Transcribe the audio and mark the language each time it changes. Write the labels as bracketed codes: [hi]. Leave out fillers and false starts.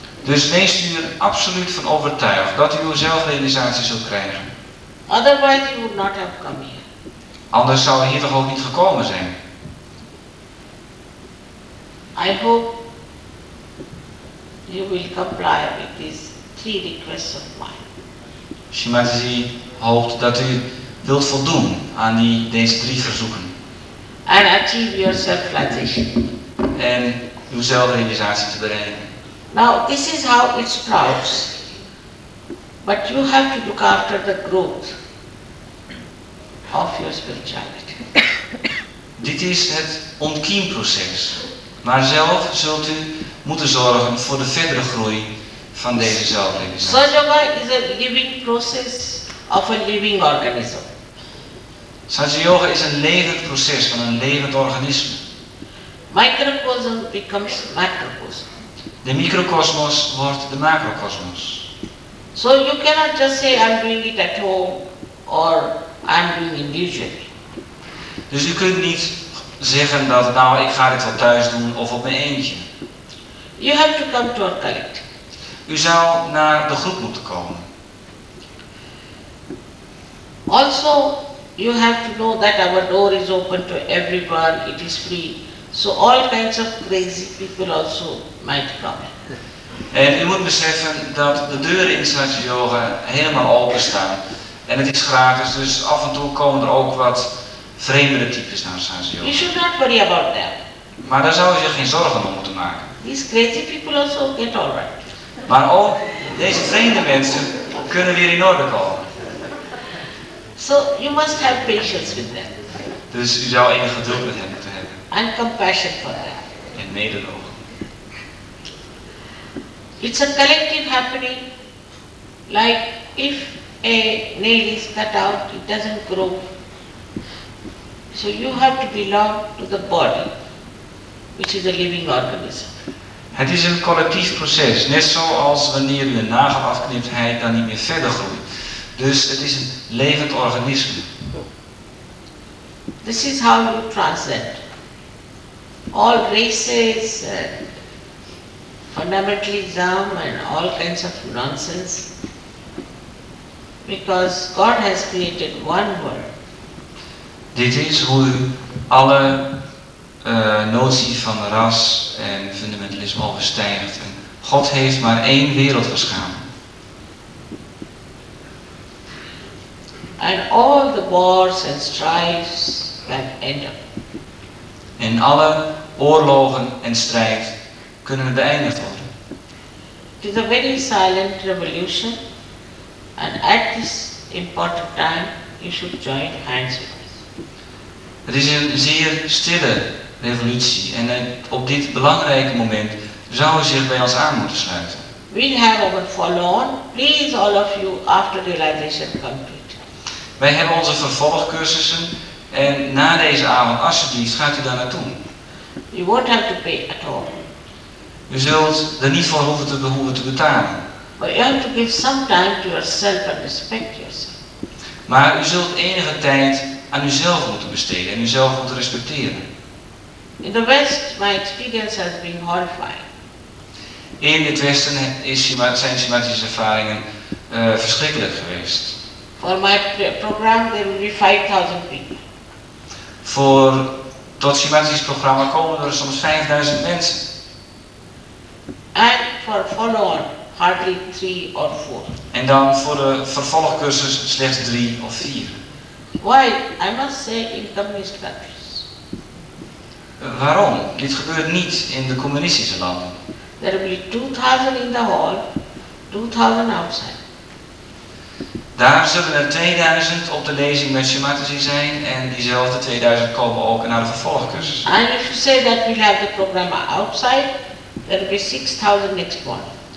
[nl] Dus wees u er absoluut van overtuigd dat u uw zelfrealisatie zult krijgen. [en] Otherwise you would not have come here. [nl] Anders zou u hier toch ook niet gekomen zijn. [en] I hope you will comply with these three requests of mine. [nl] Shri Mataji hoopt dat u wilt voldoen aan deze drie verzoeken. [en] And achieve your self-realization. [nl] En uw zelfrealisatie te bereiken. [en] Now this is how it sprouts. But you have to look after the growth of your spirituality. [nl] Dit is het ontkiemproces. Maar zelf zult u moeten zorgen voor de verdere groei van deze zelfrealisatie. [en] Sahaja Yoga is a living process of a living organism. [nl] Sahaja Yoga is een levend proces van een levend organisme. [en] Microcosm becomes macrocosm. [nl] De microcosmos wordt de macrocosmos. [en] So you cannot just say I'm doing it at home or I'm doing it individually. [nl] Dus u kunt niet zeggen dat nou ik ga dit wel thuis doen of op mijn eentje. [en] You have to come to our collective. [nl] U zou naar de groep moeten komen. [en] Also, you have to know that our door is open to everyone, it is free. So all kinds of crazy people also might come. [nl] En u moet beseffen dat de deuren in Sahaja Yoga helemaal open staan. En het is gratis, dus af en toe komen er ook wat vreemdere types naar Sahaja Yoga. [en] You should not worry about them. [nl] Maar daar zou je geen zorgen om moeten maken. [en] These crazy people also get all right. [nl] Maar ook deze vreemde mensen kunnen weer in orde komen. [en] So you must have patience with them. [nl] Dus u zou enige geduld met hen moeten hebben. [en] And compassion for them. [nl] En mededogen. [en] It's a collective happening. Like if a nail is cut out, it doesn't grow. So you have to belong to the body, which is a living organism. [nl] Het is een collectief proces, net zoals wanneer u een nagel afknipt, hij dan niet meer verder groeit. Dus het is een levend organisme. [en] This is how you transcend all races, fundamentalism and all kinds of nonsense. Because God has created one world. [nl] Dit is hoe u alle notie van ras en fundamentalisme overstijgt. En God heeft maar één wereld geschapen. [en] And all the wars and strifes can end up. [nl] En alle oorlogen en strijd kunnen beëindigd worden. [en] It is a very silent revolution. And at this important time, you should join hands with. [nl] Het is een zeer stille revolutie en op dit belangrijke moment zou u zich bij ons aan moeten sluiten. [en] We have overfallen. Please all of you after realization complete. [nl] Wij hebben onze vervolgcursussen en na deze avond, alsjeblieft, gaat u daar naartoe. [en] You won't have to pay at all. [nl] U zult er niet voor hoeven te betalen. [en] But you have to give some time to yourself and respect yourself. [nl] Maar u zult enige tijd aan uzelf moeten besteden en uzelf moeten respecteren. [en] In the West, my experience has been horrifying. [nl] In het Westen zijn Shri Mataji's ervaringen verschrikkelijk geweest. [en] For my program, there will be 5,000 people. [nl] Voor tot Shimaji's programma komen er soms 5,000 mensen. [en] And for follow-on, hardly 3 or 4. [nl] En dan voor de vervolgcursus slechts 3 of 4. [en] Why? I must say in communist countries. [nl] Waarom? Dit gebeurt niet in de communistische landen. [en] There will be 2,000 in the hall, 2,000 outside. [nl] Daar zullen er 2,000 op de lezing met Shimataji zijn en diezelfde 2,000 komen ook naar de vervolgcursus. [en] And if you say that we have the program outside, there will be 6,000 next morning.